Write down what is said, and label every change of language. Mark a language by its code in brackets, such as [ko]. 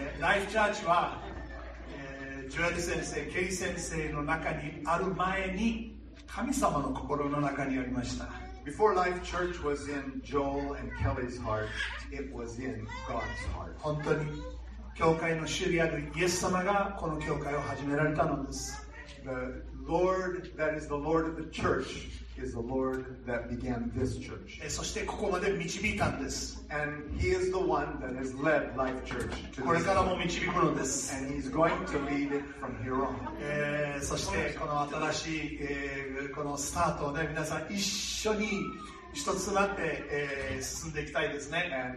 [ja] Life Church は、ジョエル先生、ケイ先生の中にある前に神様の心の中にありました。 [en] Before Life Church was in Joel and Kelly's heart, it was in God's heart. [ja] 本当に教会の主であるイエス様がこの教会を始められたのです。 [en] The Lord that is the Lord of the church is the Lord that began this church. [ja] そしてここまで導いたんです。 [en] And he is the one that has led Life Church to this. [ja] これからも導くのです。 [en] And he's going to lead it from here on. [ja] そしてこの新しい、このスタートをね、皆さん一緒に一つとなって、進んでいきたいですね。